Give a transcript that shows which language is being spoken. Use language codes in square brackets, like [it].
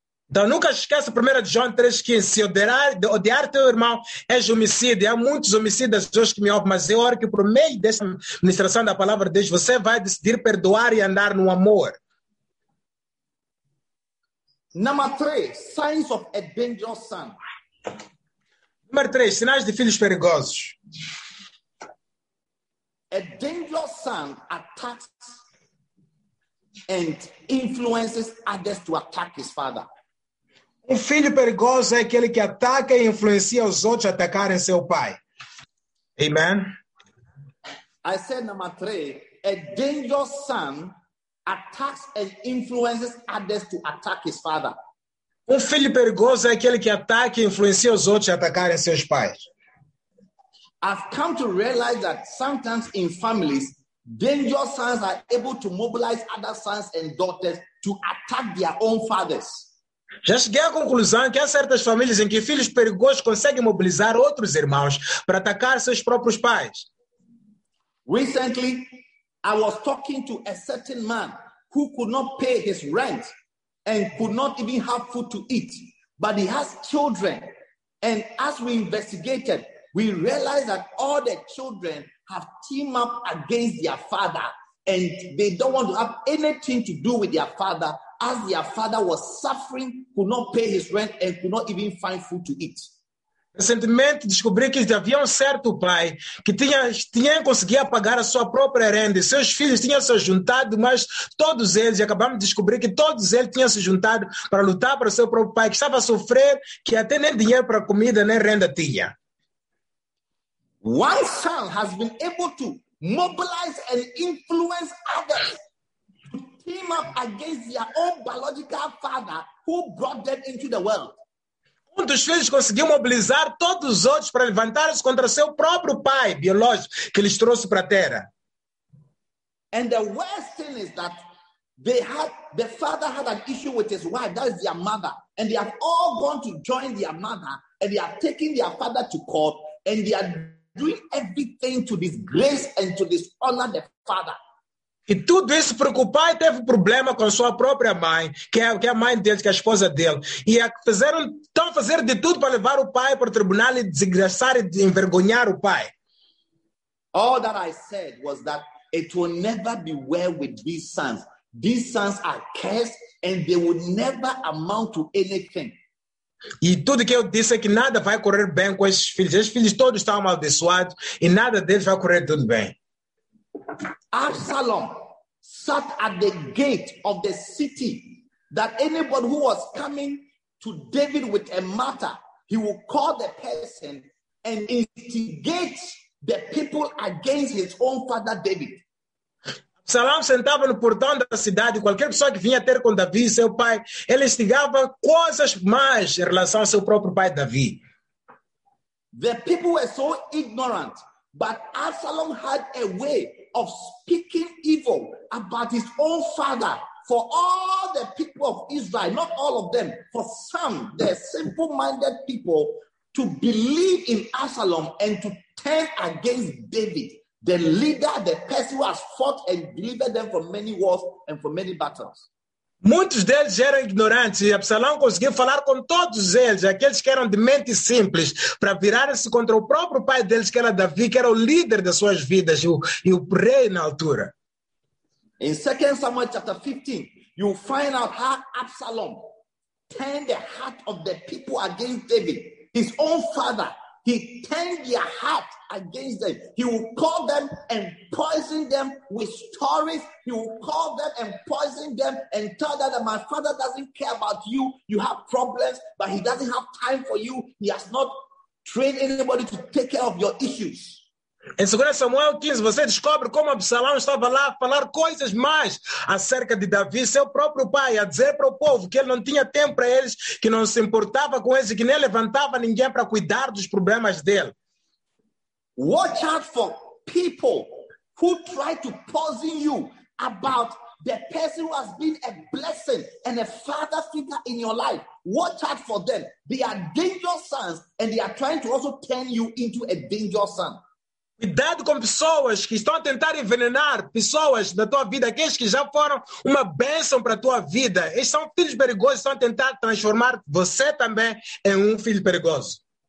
[pt] Então nunca esqueça 1 João 3,15. Se odiar teu irmão, és homicida. E há muitos homicidas hoje que me ouvem, mas eu oro que por meio dessa ministração da palavra de Deus, você vai decidir perdoar e andar no amor. [en] Number 3, signs of a dangerous son. [pt] Número 3, sinais de filhos perigosos. [en] A dangerous son attacks and influences others to attack his father. [pt] Um filho perigoso é aquele que ataca e influencia os outros a atacarem seu pai. [en] Amen. I said number 3, a dangerous son attacks and influences others to attack his father. [pt] Um filho perigoso é aquele que ataca e influencia os outros a atacarem seus pais. [en] I've come to realize that sometimes in families, dangerous sons are able to mobilize other sons and daughters to attack their own fathers. [pt] Já cheguei à conclusão que há certas famílias em que filhos perigosos conseguem mobilizar outros irmãos para atacar seus próprios pais. [en] Recently, I was talking to a certain man who could not pay his rent and could not even have food to eat, but he has children. And as we investigated, we realized that all the children have teamed up against their father and they don't want to have anything to do with their father, as their father was suffering, could not pay his rent and could not even find food to eat. [pt] Recentemente descobri que havia um certo pai que tinha conseguido pagar a sua própria renda e seus filhos tinham se juntado, mas todos eles, e acabamos de descobrir que todos eles tinham se juntado para lutar para o seu próprio pai, que estava a sofrer, que até nem dinheiro para comida nem renda tinha. [en] One son has been able to mobilize and influence others to team up against their own biological father who brought them into the world. [pt] Um dos filhos conseguiu mobilizar todos os outros para levantar-se contra seu próprio pai biológico que lhes trouxe para a terra. [en] And the worst thing is that the father had an issue with his wife, that is their mother, and they have all gone to join their mother and they are taking their father to court and they are doing everything to disgrace and to dishonor the father. [pt] E tudo isso porque o pai teve problema com sua própria mãe, que é a mãe dele, que é a esposa dele. E estão a fazer de tudo para levar o pai para o tribunal e desgraçar e envergonhar o pai. [en] All that I said was that it will never be well with these sons. These sons are cursed and they will never amount to anything. [pt] E tudo que eu disse é que nada vai correr bem com esses filhos. Esses filhos todos estão amaldiçoados e nada deles vai correr tudo bem. [en] Absalom sat at the gate of the city that anybody who was coming to David with a matter, he would call the person and instigate the people against his own father David. [pt] Absalom sentava no portão da cidade, qualquer pessoa que vinha ter com Davi, seu pai, ele instigava coisas mais em relação ao seu próprio pai Davi. [en] The people were so ignorant, but Absalom had a way of speaking evil about his own father for all the people of Israel, not all of them, for some, the simple-minded people, to believe in Absalom and to turn against David, the leader, the person who has fought and delivered them from many wars and from many battles. [pt] Muitos deles eram ignorantes e Absalão conseguiu falar com todos eles, aqueles que eram de mente simples, para virarem-se contra o próprio pai deles, que era Davi, que era o líder das suas vidas e o rei na altura. [en] In 2 Samuel chapter 15, you find out how Absalom turned the heart of the people against David, his own father, He turned their heart against them. He will call them and poison them with stories. He will call them and poison them and tell them that my father doesn't care about you. You have problems, but he doesn't have time for you. He has not trained anybody to take care of your issues. [pt] Em 2 Samuel 15, você descobre como Absalão estava lá a falar coisas mais acerca de Davi, seu próprio pai, a dizer para o povo que ele não tinha tempo para eles, que não se importava com eles e que nem levantava ninguém para cuidar dos problemas dele. [en] Watch out for people who try to poison you about the person who has been a blessing and a father figure in your life. Watch out for them. They are dangerous sons and they are trying to also turn you into a dangerous son. [pt] Cuidado com pessoas que estão a tentar envenenar pessoas na tua vida, aqueles que já foram uma bênção para a tua vida. Eles são filhos perigosos, estão a tentar transformar você também em filho perigoso.